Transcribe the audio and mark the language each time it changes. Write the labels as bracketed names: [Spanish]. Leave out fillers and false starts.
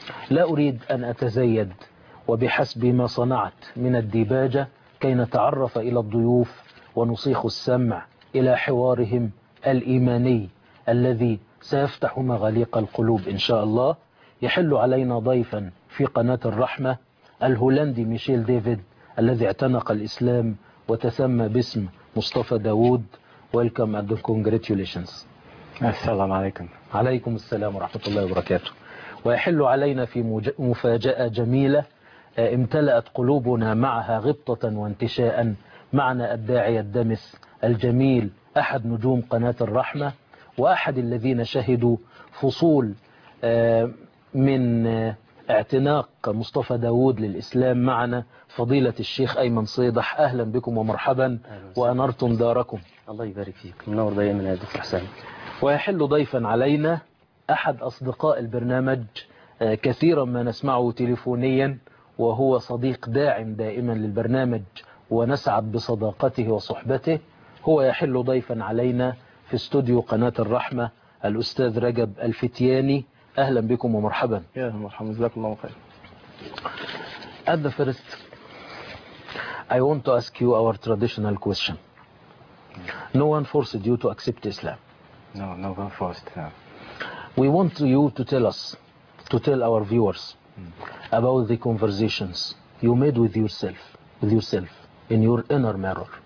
[Arabic] لا أريد أن أتزيد وبحسب ما صنعت من الديباجة كي نتعرف إلى الضيوف ونصيخ السمع إلى حوارهم الإيماني الذي سيفتح مغاليق القلوب إن شاء الله. يحل علينا ضيفا في قناة الرحمة الهولندي ميشيل ديفيد الذي اعتنق الإسلام وتسمى باسم مصطفى داود. [English] Welcome and congratulations. [Arabic] السلام عليكم. عليكم السلام ورحمة الله وبركاته. ويحل علينا في مفاجأة جميلة امتلأت قلوبنا معها غبطة وانتشاء، معنا الداعي الدمس الجميل أحد نجوم قناة الرحمة وأحد الذين شهدوا فصول من اعتناق مصطفى داود للإسلام معنا، فضيلة الشيخ أيمن صيدح. أهلا بكم ومرحبا وأنرتم داركم. الله يبارك فيك، منور دائما يا دكتور حسن. ويحل ضيفا علينا أحد أصدقاء البرنامج كثيرا ما نسمعه تليفونيا، وهو صديق داعم دائما للبرنامج ونسعد بصداقته وصحبته، هو يحل ضيفا علينا في استوديو قناة الرحمة الأستاذ رجب الفتياني. أهلا بكم ومرحبا. يا أهلا ومرحبا، جزاك الله خير. [English] At the first I want to ask you our traditional question. No one forced you to accept Islam. No, no one forced. We want you to tell us, to tell our viewers about the conversations you made with yourself in your inner mirror.